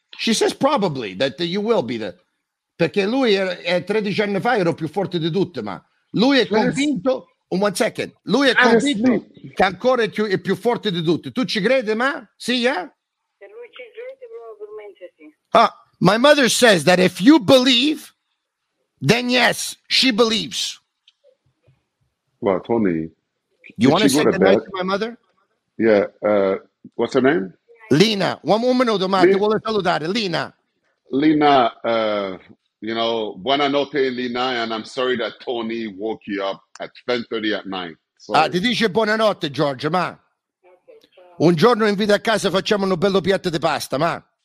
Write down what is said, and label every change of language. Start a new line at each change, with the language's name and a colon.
English: She says probably that you will be there.
Italian: Perché lui è 13 anni fa ero più forte di tutte, ma lui è convinto.
English: One second.
Italian: Lui è convinto che ancora è più forte di tutte. Tu ci credi, ma? Sì, eh? Se lui ci crede probabilmente sì.
English: Ah, my mother says that if you believe, then yes, she believes. Well, Tony, you want to say goodnight to my mother? Yeah. What's her name?
Italian: Lina,
English: one moment,
Italian: domani, vuole salutare, Lina.
English: Lina, you know, buonanotte, Lina, and I'm sorry that Tony woke you up at 10:30 at night.
Italian: Ah, ti dice buonanotte, Giorgio, ma un giorno invita a casa facciamo un bello piatto di pasta, ma.